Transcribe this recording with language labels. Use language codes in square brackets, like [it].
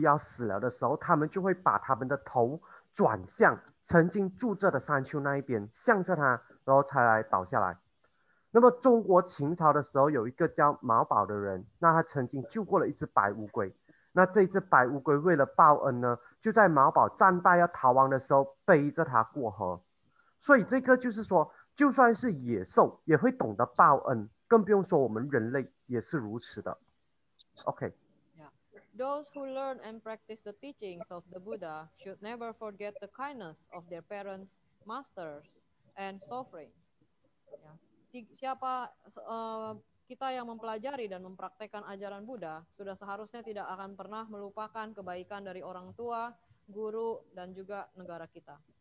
[zh] 那么这个日莲大圣人的这报恩草里面是这样写的：老狐狸呢，永远不会忘记他们原本的家在哪里。当这些老狐狸要死了的时候，他们就会把他们的头 转向曾经住着的山丘那一边，向着它，然后才来倒下来。那么中国秦朝的时候，有一个叫毛宝的人，那他曾经救过了一只白乌龟。那这只白乌龟为了报恩呢，就在毛宝战败要逃亡的时候背着它过河。所以这个就是说，就算是野兽也会懂得报恩，更不用说我们人类也是如此的。OK. [en] Those who learn and practice the teachings of the Buddha should never forget the kindness of their parents, masters, and sovereigns. [id] Ya. Siapa kita yang mempelajari dan mempraktekkan ajaran Buddha sudah seharusnya tidak akan pernah melupakan kebaikan dari orang tua, guru, dan juga negara kita.